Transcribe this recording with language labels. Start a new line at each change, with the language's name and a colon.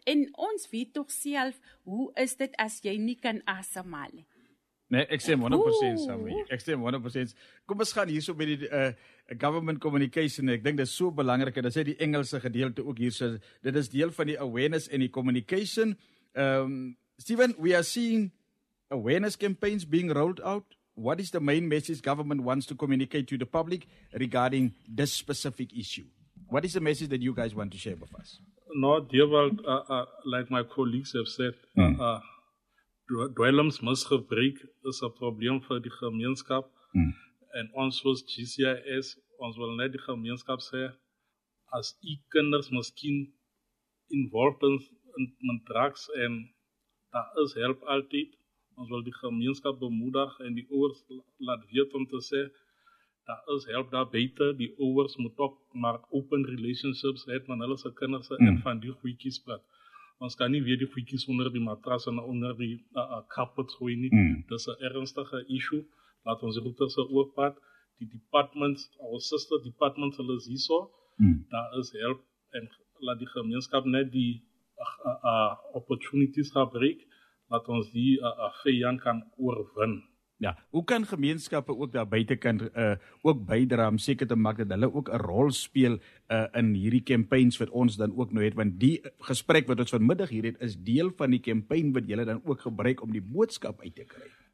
Afrikaans: En ons weet tog self, hoe is dit as jy nie kan asemhaal nie? Nee, ek sê 100% saam met jou. Ek sê 100%. Kom, ons gaan hierso by die
English: government communication.
Afrikaans: Ek dink dit is so belangrik, en dit sê die Engelse gedeelte ook hierso. Dit is deel van die awareness en die communication.
English: Steven, we are seeing awareness campaigns being rolled out. What is the main message government wants to communicate to the public regarding this specific issue? What is the message that you guys want to share with us? No, dear world, like my colleagues have said,
Afrikaans: dwelmsmisgebruik is 'n probleem vir die gemeenskap. En ons soos GCIS, ons wil net die gemeenskap sê, as u kinders miskien
English: involved in drugs,
Afrikaans: en daar is help altyd, ons wil die gemeenskap bemoedig en die ouers laat weet om te sê, daar is help daar buite. Die ouers moet ook maar
English: open relationships
Afrikaans: het met hulle se kinders en van die goedjies praat. Ons kan nie weer die goedjies onder die matras en onder die carpet gooi nie. Dis 'n ernstige issue. Laat ons roep dat se oorpad. Die departments,
English: our sister departments,
Afrikaans: hulle is hierso. Daar is help. En laat die gemeenskap net die opportunities gebruik. Laat ons die vyand kan oorwin. Ja, hoe kan gemeenskappe ook daar buitekant ook bydra om seker te maak dat hulle ook 'n rol speel in hierdie campaigns wat ons dan ook nou het, want die gesprek wat ons vanmiddag hier het is deel van die campaign wat julle dan ook gebruik om die boodskap uit te kry.